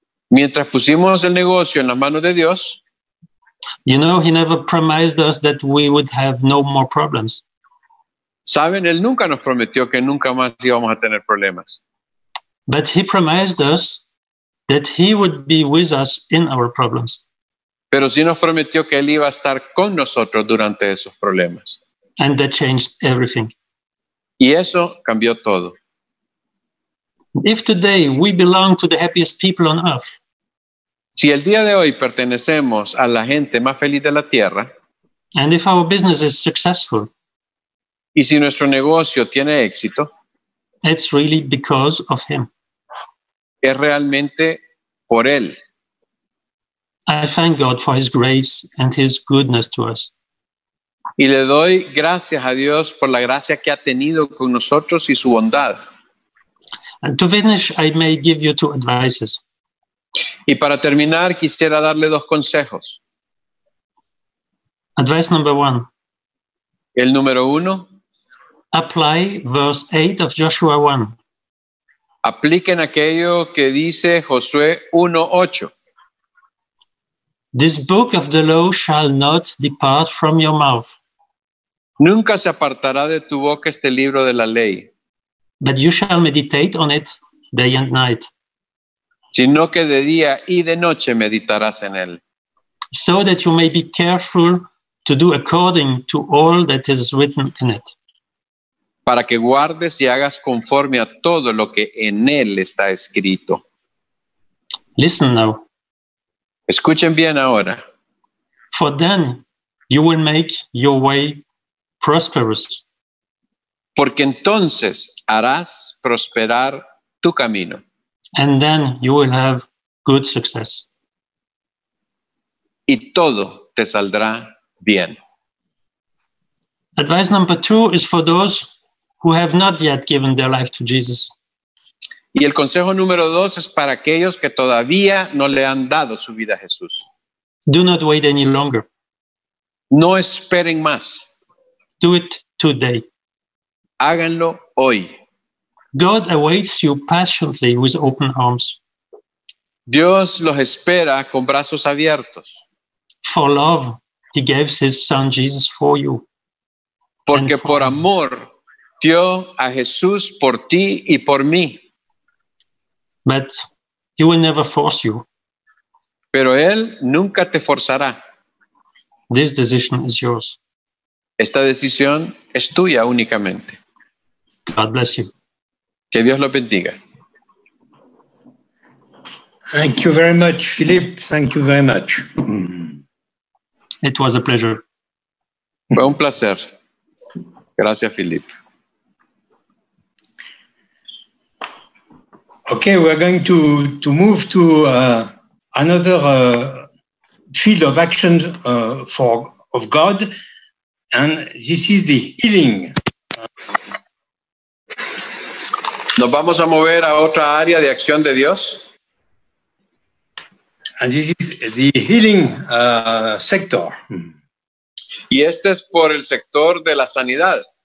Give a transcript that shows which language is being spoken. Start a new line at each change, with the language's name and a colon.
Spanish: Mientras pusimos el negocio en las manos de Dios.
English: You know, he never promised us that we would have no more problems.
Spanish: Saben, él nunca nos prometió que nunca más íbamos a tener problemas.
English: But he promised us that he would be with us in our problems.
Spanish: Pero sí nos prometió que él iba a estar con nosotros durante esos problemas.
English: And that changed everything.
Spanish: Y eso cambió todo.
English: If today we belong to the happiest people on earth.
Spanish: Si el día de hoy pertenecemos a la gente más feliz de la tierra.
English: And if our business is successful.
Spanish: Y si nuestro negocio tiene éxito.
English: It's really because of him.
Spanish: Es realmente por él.
English: I thank God for his grace and his goodness to us.
Spanish: Y le doy gracias a Dios por la gracia que ha tenido con nosotros y su bondad.
English: And to finish, I may give you two advices.
Spanish: Y para terminar, quisiera darle dos consejos.
English: Advice number one.
Spanish: El número uno.
English: Apply verse 8 of Joshua 1.
Spanish: Apliquen aquello que dice Josué 1:8.
English: This book of the law shall not depart from your mouth.
Spanish: Nunca se apartará de tu boca este libro de la ley.
English: But you shall meditate on it day and night.
Spanish: Sino que de día y de noche meditarás en él.
English: So that you may be careful to do according to all that is written in it.
Spanish: Para que guardes y hagas conforme a todo lo que en él está escrito.
English: Listen now.
Spanish: Escuchen bien ahora.
English: For then you will make your way prosperous.
Spanish: Porque entonces harás prosperar tu camino.
English: And then you will have good success.
Spanish: y todo te saldrá bien.
English: Advice number two is for those who have not yet given their life to Jesus.
Spanish: Y el consejo número dos es para aquellos que todavía no le han dado su vida a Jesús.
English: Do not wait any longer.
Spanish: No esperen más.
English: Do it today.
Spanish: Háganlo hoy.
English: God awaits you patiently with open arms.
Spanish: Dios los espera con brazos abiertos.
English: For love, he gave his son Jesus for you.
Spanish: Porque por amor dio a Jesús por ti y por mí.
English: But he will never force you.
Spanish: Pero él nunca te forzará.
English: This decision is yours.
Spanish: Esta decisión es tuya únicamente.
English: God bless you.
Spanish: Que Dios lo bendiga.
English: Thank you very much, Philip. Thank you very much. It was a pleasure.
Spanish: Fue un placer. Gracias, Philip.
English: Okay, we're going to move to another field of action of God, and this is the healing.
Spanish: Nos vamos a mover a otra área de acción de Dios.
English: And this is the healing sector.
Spanish: Y este es por el sector de la sanidad.